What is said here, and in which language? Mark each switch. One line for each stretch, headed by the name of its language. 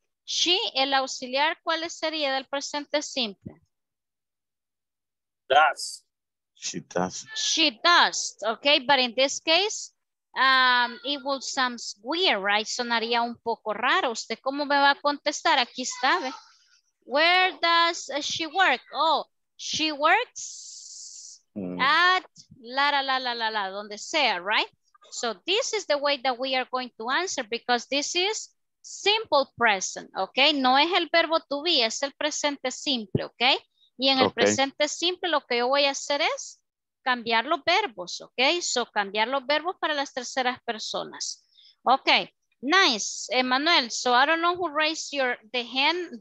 Spanish: She, el auxiliar, ¿cuál sería del presente simple?
English: Does. She does. She does. Okay, but in this case, it will sound weird, right?
Spanish: Sonaría un poco raro. ¿Usted cómo me va a contestar? Aquí está, ¿ve?
English: Where does she work? Oh, she works at
Spanish: la, donde sea,
English: right? So this is the way that we are going to answer because this is simple present, okay?
Spanish: No es el verbo to be, es el presente simple, okay? Y en el presente simple lo que yo voy a hacer es cambiar los verbos, okay? So cambiar los verbos para las terceras personas.
English: Okay, nice. Emmanuel, so I don't know who raised the hand.